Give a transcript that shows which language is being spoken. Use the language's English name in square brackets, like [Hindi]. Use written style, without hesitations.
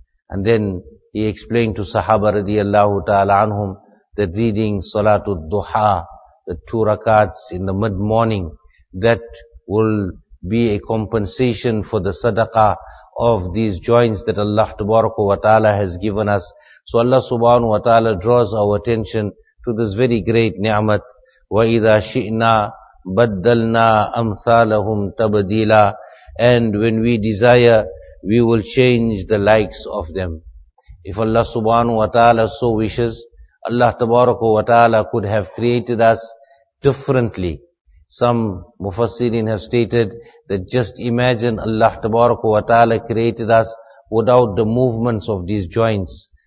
[English] And then he explained to Sahaba radiallahu ta'ala anhum that reading Salatul Duha, the two rakats in the mid-morning, that will be a compensation for the sadaqah of these joints that Allah tabaraka wa ta'ala has given us. So Allah subhanahu wa ta'ala draws our attention to this very great ni'mat. [Arabic] وَإِذَا شِئْنَا بَدَّلْنَا أَمْثَالَهُمْ tabdila. [English] And when we desire, we will change the likes of them. If Allah subhanahu wa ta'ala so wishes, Allah tabaraka wa ta'ala could have created us differently. Some mufassirin have stated that just imagine Allah tabaraka wa ta'ala created us without the movements of these joints.